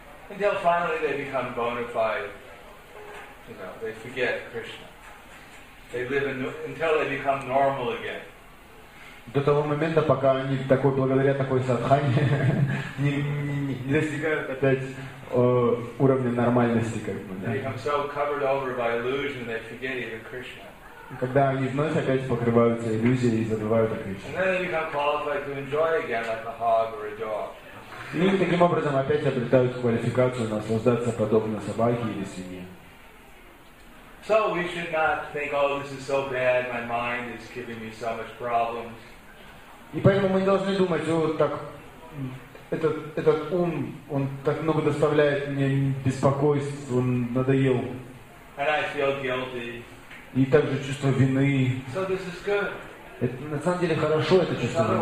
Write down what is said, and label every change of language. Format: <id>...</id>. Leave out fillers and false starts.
<en>Until finally they become bona fide, you know, they forget Krishna. They live until they become normal again.</en> <ru>До того момента, пока они благодаря такой садхане не достигают опять уровня нормальности, как бы.</ru> <en>They become so covered over by illusion they forget even Krishna.</en> <ru>Когда они вновь опять покрываются иллюзией и забывают о Кришне.</ru> <en>And then they become qualified to enjoy again, like a hog or a dog.</en> <ru>И таким образом опять обретают квалификацию наслаждаться подобно собаке или свинье.</ru> <en>So we should not think, oh, this is so bad, my mind is giving me so much problems.</en> <ru>И поэтому мы не должны думать, о, так этот ум, он так много доставляет мне беспокойств, он надоел.</ru> <en>And I feel guilty.</en> <ru>И также чувство вины.</ru> <en>So this is good.</en> <ru>Это, на самом деле хорошо это чувство вины.</ru>